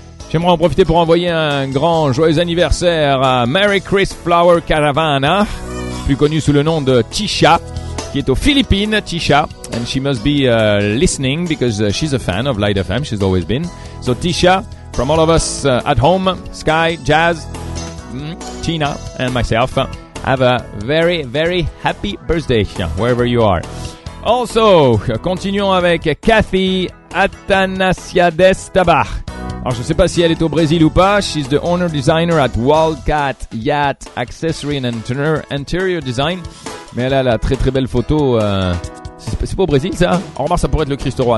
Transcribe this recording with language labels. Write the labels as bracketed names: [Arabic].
[French] J'aimerais en profiter pour envoyer un grand joyeux anniversaire à Mary Chris Flower Caravana, plus connue sous le nom de Tisha, qui est aux Philippines. [English] Tisha, and she must be listening because she's a fan of Light FM. She's always been. So Tisha, from all of us at home, Sky, Jazz, Tina, and myself, have a very, very happy birthday wherever you are. [French] Also, continuons avec Kathy Athanasiades Tabar. Alors, je ne sais pas si elle est au Brésil ou pas. [English] She's the owner designer at Wildcat Yacht Accessory and Interior Design. [French] Mais elle a la très très belle photo. C'est pas au Brésil ça? En remarque, ça pourrait être le Christ Roi.